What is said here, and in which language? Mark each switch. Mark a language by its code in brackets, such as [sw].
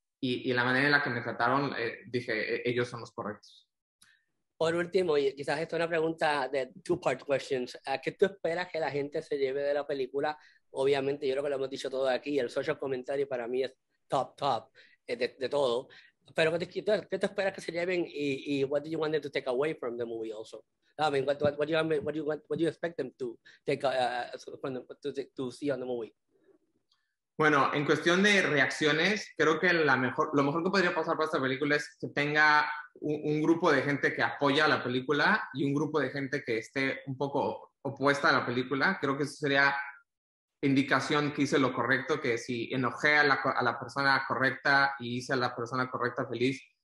[es] Y la manera en la que me trataron, dije, ellos son los correctos. Por último, y quizás esto es una pregunta de [en] two-part questions, [es] ¿a qué tú esperas que la gente se lleve de la película? Obviamente, yo creo que lo hemos dicho todo aquí, el social commentary para mí es top, de todo. Pero, ¿qué tú esperas que se lleven? [en] Y what do you want them to take away from the movie also? I mean, what do you expect them to take to see on the movie? [es] Bueno, en cuestión de reacciones, creo que lo mejor que podría pasar para esta película es que tenga un grupo de gente que apoya la película y un grupo de gente que esté un poco opuesta a la película. Creo que eso sería indicación que hice lo correcto, que si enojé a la persona correcta y hice a la persona correcta feliz,